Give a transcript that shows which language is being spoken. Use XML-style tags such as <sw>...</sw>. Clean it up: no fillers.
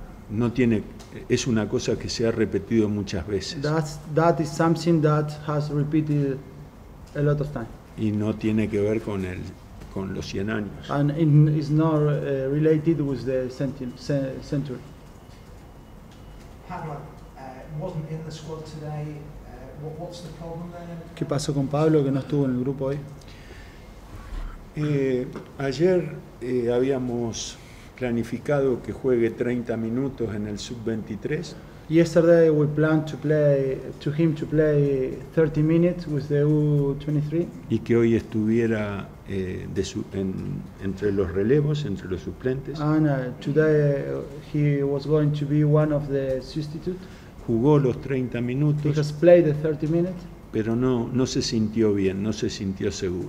<es>Eso es una cosa que se ha repetido muchas veces.</es> <en>That is something that has repeated a lot of time.</en> <es>Y no tiene que ver con los 100 años.</es> <en>And it's not related with the century. Pablo, wasn't in the squad today. What's the problem there?</en> <es>¿Qué pasó con Pablo que no estuvo en el grupo hoy? Ayer habíamos planificado que juegue 30 minutos en el sub-23.</es> <en>Yesterday we planned to play 30 minutes with the U23.</en> <es>Y que hoy estuviera entre los relevos, entre los suplentes.</es> <en>And today he was going to be one of the substitutes.</en> <es>Jugó los 30 minutos.</es> <en>He has played the 30 minutes.</en> <es>Pero no se sintió bien, no se sintió seguro.</es>